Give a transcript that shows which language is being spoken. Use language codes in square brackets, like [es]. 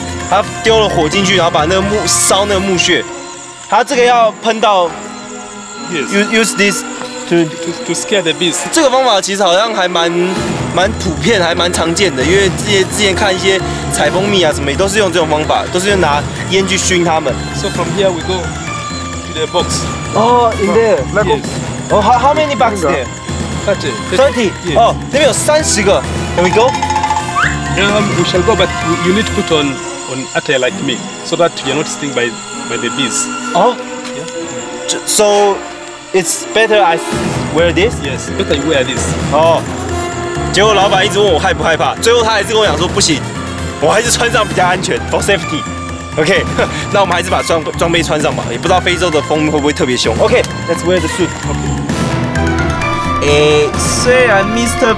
[zh] 他丢了火进去，然后把那个木烧那个木屑，他这个要喷到 [en] use this to scare the bees。 [zh] 这个方法其实好像还蛮普遍，还蛮常见的，因为之前看一些采蜂蜜啊什么，也都是用这种方法，都是用拿烟去熏他们。 [en] So from here we go to the box. Oh, in there. Yes. Oh, how many boxes there? 30. [zh] 哦，那边有三十个。 [en] Can we go? Yeah, we shall go, but you need to put on. On attire like me, so that you're not sting by the bees. Oh, yeah. So it's better I wear this. Yes, better you wear this. Oh. [zh] 结果老板一直问我害不害怕，最后他还是跟我讲说不行，我还是穿上比较安全 ， [en] for safety. [zh] OK， 那我们还是把装备穿上吧。也不知道非洲的风会不会特别凶。 [en] OK, let's wear the suit. OK. [zh] 虽然 Mr.